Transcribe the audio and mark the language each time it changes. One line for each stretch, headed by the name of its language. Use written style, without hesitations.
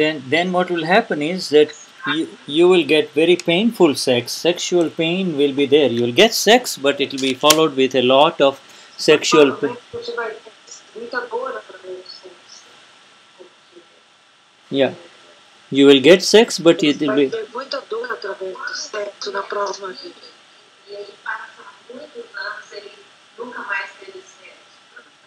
English: Then what will happen is that you will get very painful sex, sexual pain will be there. You will get sex, but it will be followed with a lot of sexual pain.
Portuguese: Você vai ter muita dor através do sexo.
English: Yeah, you will get sex, but it will be...
Portuguese: Muita dor através do sexo na próxima vida. E ele passa muitos anos, ele nunca mais teve sexo.